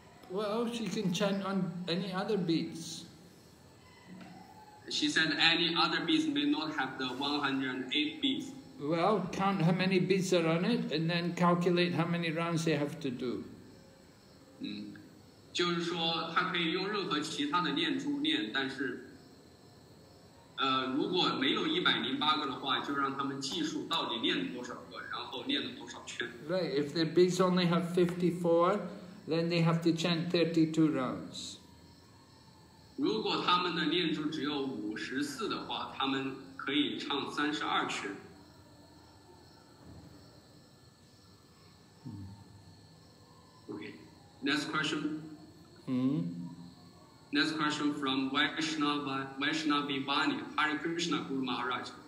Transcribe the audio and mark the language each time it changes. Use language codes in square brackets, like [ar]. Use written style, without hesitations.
[en] Well, she can chant on any other beats. She said any other beats may not have the 108 beats. Well, count how many beats are on it, and then calculate how many rounds they have to do. [zh] 就是说，他可以用任何其他的念珠念，但是，如果没有108个的话，就让他们计数到底念多少个，然后念了多少圈。 [en] Right, if their beats only have 54, then they have to chant 32 rounds. [zh] 如果他们的念珠只有54的话, 他们可以唱32圈。 [en] Okay, next question. Next question from Vaishnavi Vani, Hare Krishna Guru Maharaj.